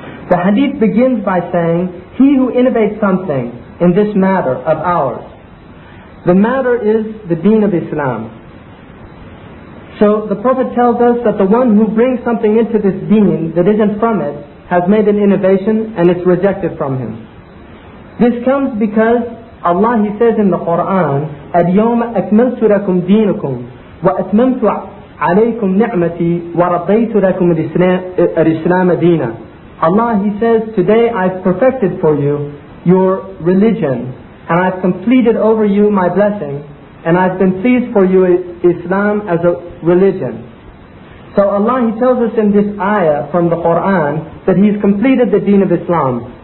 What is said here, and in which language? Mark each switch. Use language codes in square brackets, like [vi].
[en] The hadith begins by saying, he who innovates something in this matter of ours, the matter is the deen of Islam. So the Prophet tells us that the one who brings something into this deen that isn't from it has made an innovation and it's rejected from him. This comes because Allah, he says in the Quran, [ar] أَلْيَوْمَ أَكْمَلْتُ لَكُمْ دِينُكُمْ وَأَتْمَمْتُ عَلَيْكُمْ نِعْمَتِي وَرَضَيْتُ لَكُمْ الْإِسْلَامَ دِينًا. [en] Allah, he says, today I've perfected for you your religion and I've completed over you my blessing. And I've been pleased for you Islam as a religion. So Allah, He tells us in this ayah from the Quran that He's completed the deen of Islam.